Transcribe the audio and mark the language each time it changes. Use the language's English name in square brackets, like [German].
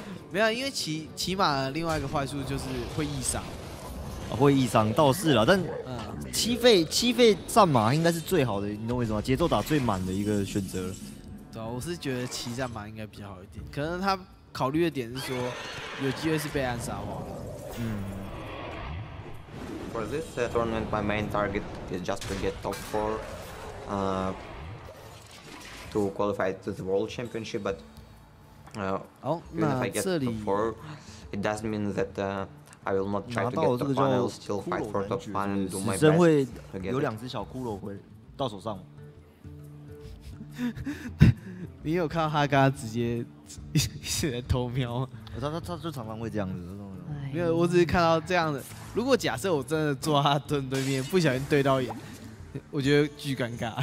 [Chinese] 没有，因为骑马的另外一个坏处就是会易伤。啊，会易伤倒是啦，但七费战马应该是最好的，你懂我意思吗？节奏打最满的一个选择了。对啊，我是觉得骑战马应该比较好一点，可能他。考虑的点是说，有机会是被暗杀化了。 [English] For this tournament, my main target is just to get top four, to qualify to the world championship. But, even if I get top four, it doesn't mean that I will not try to get top one. I'll still fight for top one and do my best. [Chinese] 死神会有两只小骷髅会到手上。你有看到他刚刚直接一直在偷瞄吗？他就常常会这样子。没有，我只是看到这样子。如果假设我真的坐他蹲对面，不小心对到眼，我觉得巨尴尬。